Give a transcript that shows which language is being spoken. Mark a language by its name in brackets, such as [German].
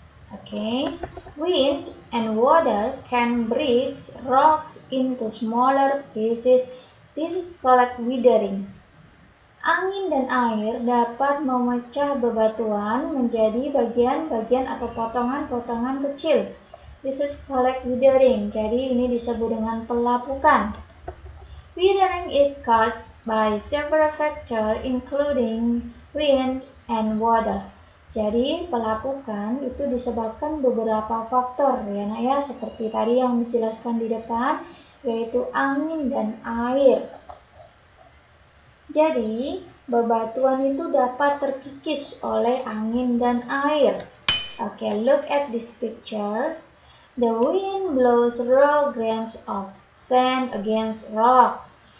[English] Okay, wind and water can break rocks into smaller pieces. This is called withering. [Indonesian] Angin dan air dapat memecah bebatuan menjadi bagian-bagian atau potongan-potongan kecil. [English] This is called withering. [Indonesian] Jadi ini disebut dengan pelapukan. [English] Withering is caused by several factors including wind and water. [Indonesian] Jadi, pelapukan itu disebabkan beberapa faktor, ya nak ya, seperti tadi yang dijelaskan di depan, yaitu angin dan air. Jadi, bebatuan itu dapat terkikis oleh angin dan air. [English] Okay, look at this picture. The wind blows raw grains of sand against rocks.